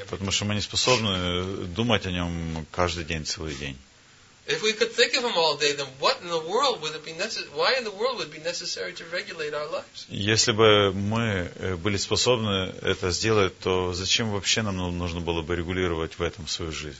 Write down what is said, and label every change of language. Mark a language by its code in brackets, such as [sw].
[ru] Потому что мы не способны думать о Нем каждый день, целый день. [en] If we could think of him all day, then what in the world would it be necessary? Why in the world would it be necessary to regulate our lives? [ru] Если бы мы были способны это сделать, то зачем вообще нам нужно было бы регулировать в этом свою жизнь?